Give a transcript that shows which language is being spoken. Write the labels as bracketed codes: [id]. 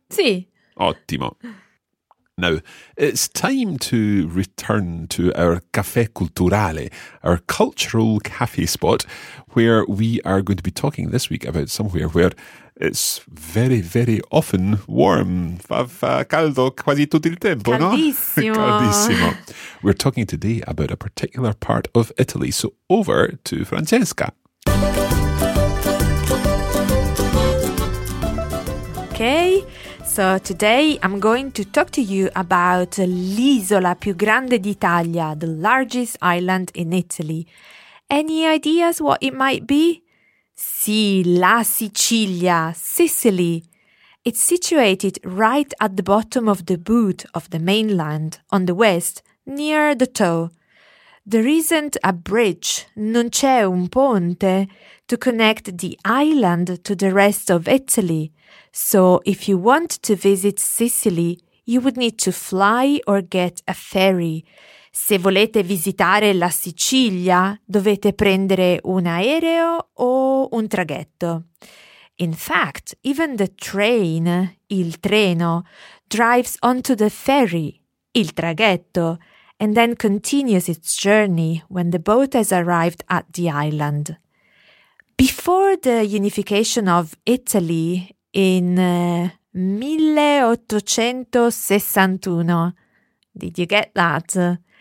[it] Sì. Ottimo. [en] Now, it's time to return to our [it] caffè culturale, [en] our cultural cafe spot, where we are going to be talking this week about somewhere where it's very, very often warm. [it] Fa caldo quasi tutto il tempo, no? Caldissimo. Caldissimo. [en] We're talking today about a particular part of Italy. So over to Francesca. Okay. So today I'm going to talk to you about [it] l'isola più grande d'Italia, [en] the largest island in Italy. Any ideas what it might be? [it] Sì, la Sicilia, [en] Sicily. It's situated right at the bottom of the boot of the mainland, on the west, near the toe. There isn't a bridge, [it] non c'è un ponte, [en] to connect the island to the rest of Italy. So, if you want to visit Sicily, you would need to fly or get a ferry. [it] Se volete visitare la Sicilia, dovete prendere un aereo o un traghetto. [en] In fact, even the train, il treno, drives onto the ferry, il traghetto, and then continues its journey when the boat has arrived at the island. Before the unification of Italy, in 1861, did you get that?